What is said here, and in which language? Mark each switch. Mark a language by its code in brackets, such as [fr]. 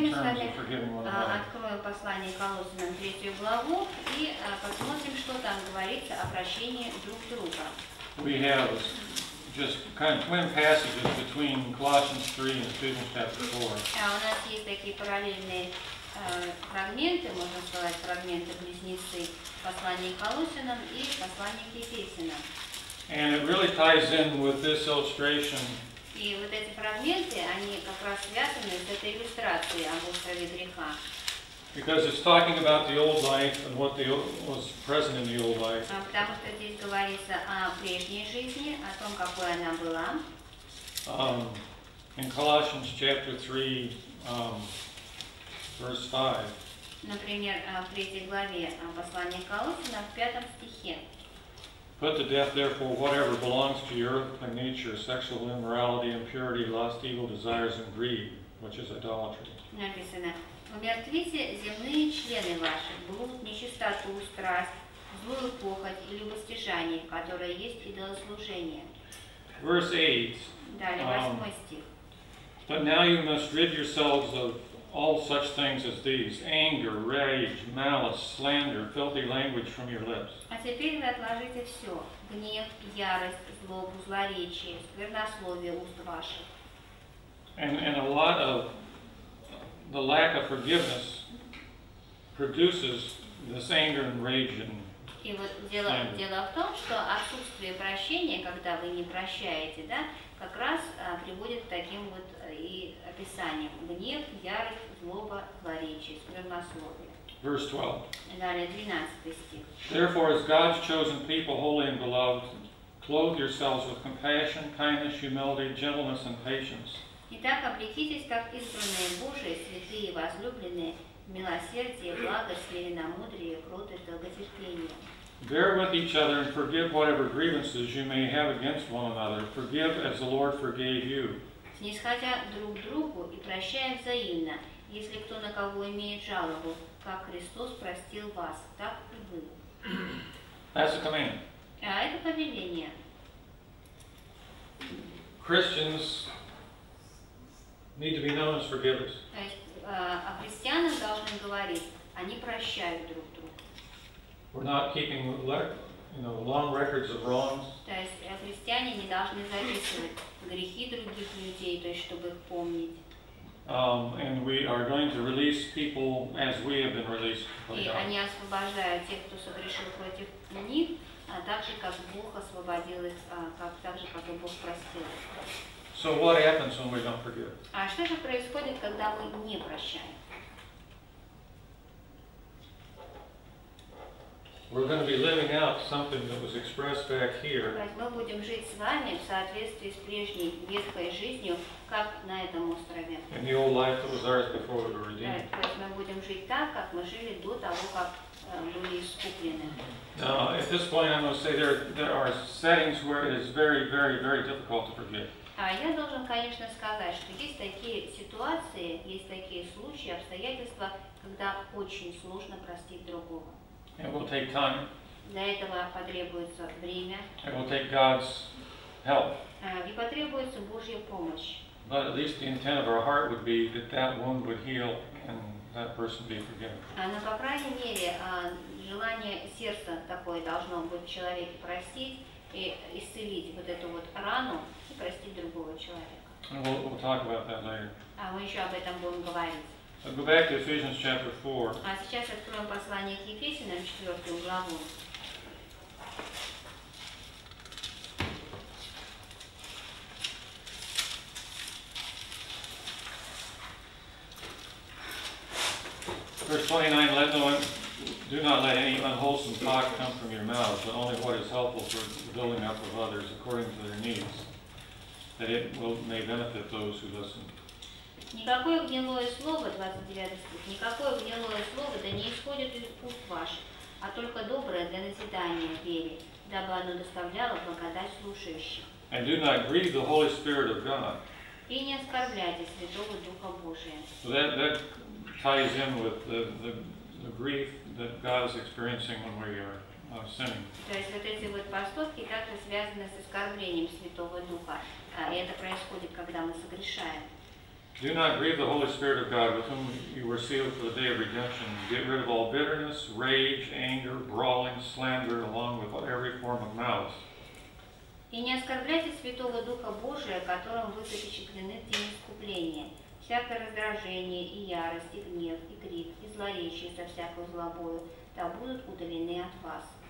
[ru] мы с вами откроем послание Колоссянам 3 главу и посмотрим, что там говорится о прощении друг друга. [en] We have just kind of twin passages between Colossians 3 and Ephesians chapter 4. [ru] У нас есть такие параллельные фрагменты, можно сказать, фрагменты близнецы послания Колоссянам и послания к Ефесянам. [en] And it really ties in with this illustration. [ru] И вот эти фрагменты, они как раз связаны с этой иллюстрацией об острове греха. [en] Because it's talking about the old life and what the old, was present in the old life. [ru] Потому что здесь говорится о прежней жизни, о том, какой она была. [en] In Colossians chapter 3, verse 5. [ru] Например, в 3 главе послания к Колоссянам, в 5 стихе. [en] Put to death, therefore, whatever belongs to your earthly nature, sexual immorality, impurity, lust, evil desires, and greed, which is idolatry. [ru] Написано, умертвите земные члены ваши, блуд, нечистоту, страсть, злую похоть и любостяжание, которое есть идолослужение. [en] Verse 8. [ru] Далее, 8 стих. [en] But now you must rid yourselves of all such things as these, anger, rage, malice, slander, filthy language from your lips. [ru] А теперь вы отложите все, гнев, ярость, злобу, злоречие, сквернословие уст ваших. [en] And a lot of the lack of forgiveness produces this anger and rage and [ru] И вот дело в том, что отсутствие прощения, когда вы не прощаете, да, как раз приводит к таким вот и описаниям. Гнев, ярость, злоба, злоречие, сквернословие. [en] Verse 12. [ru] Далее, 12 стих. [en] Therefore, as God's chosen people, holy and beloved, clothe yourselves with compassion, kindness, humility, gentleness, and patience. [ru] Итак, облекитесь, как избранные Божии, святые и возлюбленные, милосердие, благость, веренномудрие, кротость, долготерпение. [en] Bear with each other and forgive whatever grievances you may have against one another. Forgive as the Lord forgave you. [ru] Снисходя друг другу и прощая взаимно, если кто на кого имеет жалобу, как Христос простил вас, так и вы. [en] That's a command. [ru] А это повеление. [en] Christians need to be known as forgivers. [ru] А христианам должны говорить, они прощают друг друга. [en] We're not keeping, you know, long records of wrongs. [ru] То есть христиане не должны записывать грехи других людей, то есть чтобы их помнить. [en] And we are going to release people as we have been released by God. [ru] И они освобождают тех, кто согрешил против них, а также как Бог освободил их, как также как и Бог простил их. [en] So what happens when we don't forgive? [ru] А что же происходит, когда мы не прощаем? [en] We're going to be living out something that was expressed back here. [ru] Мы будем жить с вами в соответствии с прежней ветхой жизнью, как на этом острове. [en] In the old life that was ours before we were redeemed. [ru] То есть мы будем жить так, как мы жили до того, как были искуплены. [en] Now, at this point, I'm going to say there are settings where it is very, very, very difficult to forgive. [ru] А я должен, конечно, сказать, что есть такие ситуации, есть такие случаи, обстоятельства, когда очень сложно простить другого. [en] It will take time. [ru] Для этого потребуется время. [en] It will take God's help. [ru] И потребуется Божья помощь. [en] But at least the intent of our heart would be that wound would heal and that person be forgiven. [ru] Но, по крайней мере, желание сердца такое должно быть в человеке простить и исцелить вот эту вот рану и простить другого человека. [en] We'll talk about that later. [ru] А мы еще об этом будем говорить. [en] I'll go back to Ephesians chapter 4. [ru] А сейчас откроем послание к Ефесянам, 4 главу. [en] Verse 29, do not let any unwholesome talk come from your mouths, but only what is helpful for the building up of others according to their needs, that it will, may benefit those who listen. [ru] Никакое гнилое слово, 29 стих, никакое гнилое слово да не исходит из уст ваших, а только доброе для назидания вере, дабы оно доставляло благодать слушающим. [en] And do not grieve the Holy Spirit of God. [ru] И не оскорбляйте Святого Духа Божия. [en] So that ties in with the grief that God is experiencing when we are sinning. [ru] То есть вот эти вот поступки как-то связаны с оскорблением Святого Духа. И это происходит, когда мы согрешаем. [en] Do not grieve the Holy Spirit of God, with whom you were sealed for the day of redemption. Get rid of all bitterness, rage, anger, brawling, slander, along with every form of malice. [ru] И не оскорбляйте Святого Духа Божия, которым вы запечатлены в день искупления. Всякое раздражение и ярость, и гнев, и крик, и злоречие со всякой злобою, да будут удалены от вас.